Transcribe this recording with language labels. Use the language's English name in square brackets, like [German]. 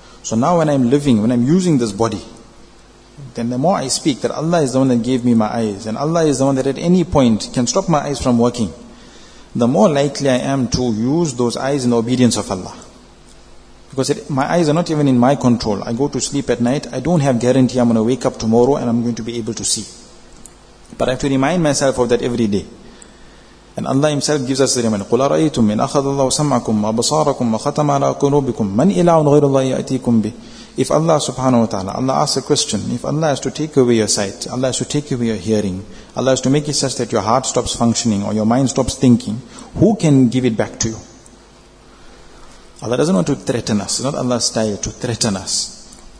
[English] So now when I'm living, when I'm using this body, then the more I speak that Allah is the one that gave me my eyes, and Allah is the one that at any point can stop my eyes from working, the more likely I am to use those eyes in the obedience of Allah. Because my eyes are not even in my control. I go to sleep at night, I don't have guarantee I'm going to wake up tomorrow and I'm going to be able to see. But I have to remind myself of that every day. And Allah himself gives us the reminder, [Arabic] قُلَ رَأَيْتُمْ مِنْ أَخَذَ اللَّهُ سَمْعَكُمْ وَبَصَارَكُمْ وَخَتَمَ عَلَىٰ قُلُوبِكُمْ مَنْ إِلَٰهٌ غَيْرُ اللَّهِ يَأْتِيكُمْ بِهِ. [English] If Allah subhanahu wa ta'ala, Allah asks a question, if Allah has to take away your sight, Allah has to take away your hearing, Allah has to make it such that your heart stops functioning or your mind stops thinking, who can give it back to you? Allah doesn't want to threaten us. It's not Allah's style to threaten us.